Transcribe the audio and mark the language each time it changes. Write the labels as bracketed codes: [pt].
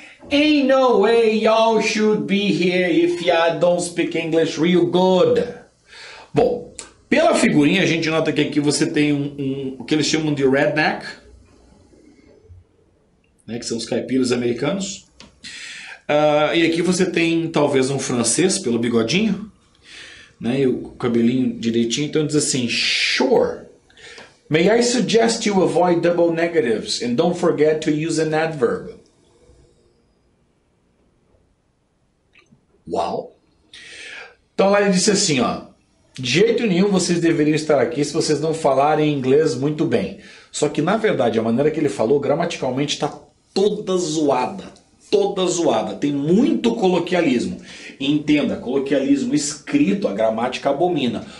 [en] Ain't no way y'all should be here if y'all don't speak English real good. [pt] Bom, pela figurinha a gente nota que aqui você tem o que eles chamam de redneck, né, que são os caipiras americanos. E aqui você tem talvez um francês pelo bigodinho. Né, e o cabelinho direitinho, então diz assim, sure. [en] May I suggest you avoid double negatives and don't forget to use an adverb. Wow. [pt] Então lá ele disse assim, ó, de jeito nenhum vocês deveriam estar aqui se vocês não falarem inglês muito bem. Só que na verdade a maneira que ele falou gramaticalmente está toda zoada. Toda zoada, tem muito coloquialismo. Entenda, coloquialismo escrito, a gramática abomina.